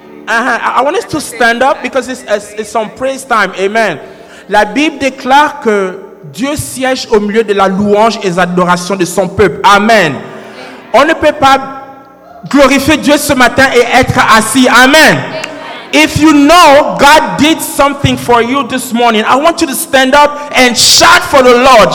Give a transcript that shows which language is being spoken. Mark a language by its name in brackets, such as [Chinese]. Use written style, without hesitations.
[English] I want us to stand up because it's on praise time. Amen. [French] La Bible déclare que Dieu siège au milieu de la louange et adoration de son peuple. Amen. On ne peut pas glorifier Dieu ce matin et être assis. Amen. [English] If you know God did something for you this morning, I want you to stand up and shout for the Lord.